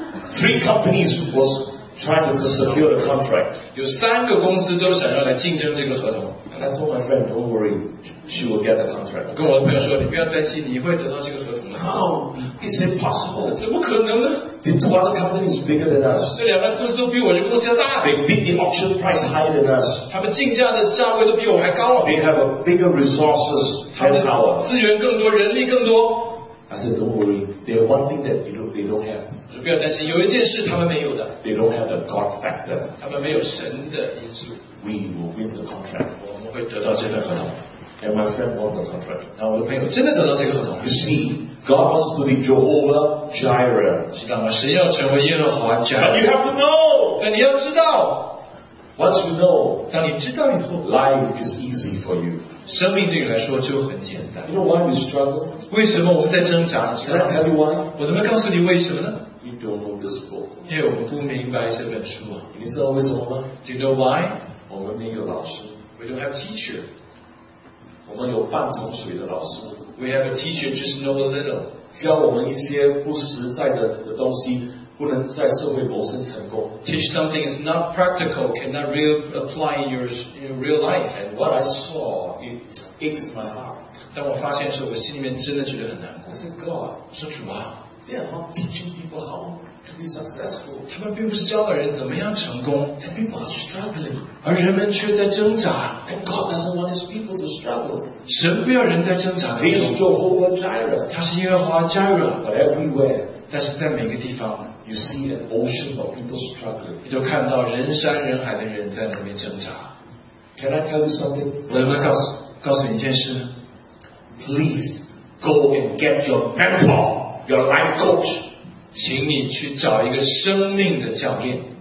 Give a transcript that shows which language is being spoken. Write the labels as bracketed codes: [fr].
[en] ，Three companies was trying to secure the contract. [zh] 有三个公司都想要来竞争这个合同。 [en] And I told my friend, "Don't worry, she will get the contract." [zh] 跟我的朋友说，你不要担心，你会得到这个合同。 [en] How is it possible? [zh] 怎么可能呢 [en] ？The two other companies bigger than us. [zh] 这两个公司都比我这个公司要大。 [en] They beat the auction price higher than us. [zh] 他们竞价的价位都比我还高。 [en] They have a bigger resources and power. [zh] 资源更多，人力更多。 [en] I said, "Don't worry. There is one thing that you know they don't have." [zh] 我说不要担心，有一件事他们没有的。 [en] They don't have the God factor. [zh] 他们没有神的因素。 [en] We will win the contract. [zh] 我们会得到这份合同。 [en] And my friend won the contract. [zh] 那我的朋友真的得到这个合同。 [en] You see, God wants to be Jehovah Jireh. [zh] 知道吗？神要成为耶和华 Jireh. [en] But you have to know. [zh] 那你要知道。 [en] Once you know, [zh] 当你知道以后 [en] ，life is easy for you. [zh] 生命对你来说就很简单。 [en] You know why we struggle? [zh] 为什么我们在挣扎？ [en] Can I tell you why? [zh] 我能不能告诉你为什么呢？ [en] You don't know this book. [zh] 因为我们不明白这本书。你知道为什么吗？ [en] Do you know why? [zh] 我们没有老师。 [en] We don't have a teacher. [zh] 我们有半桶水的老师。 [en] We have a teacher just know a little. [zh] 教我们一些不实在的东西。不能在社会谋生成功。 [en] Teach something is not practical, cannot apply in real life. And what I saw, it aches my heart. [zh] 当我发现的时候，我心里面真的觉得很难过。 [en] I said, God, [zh] 说主啊 [en] ，They are not teaching people how to be successful. [zh] 他们并不是教导人怎么样成功。 [en] And people are struggling. [zh] 而人们却在挣扎。 [en] And God doesn't want His people to struggle. [zh] 神不要人在挣扎。 [en] He is Jehovah Jireh. [zh] 他是耶和华 Jireh. [en] But everywhere. [zh] 但是在每个地方。 [en] You see an ocean of people struggling. [zh] 你就看到人山人海的人在那边挣扎。 [en] Can I tell you something? [zh] 我能不能告诉你一件事呢 [en] ？Please go and get your mentor, your life coach. [zh] 请你去找一个生命的教练。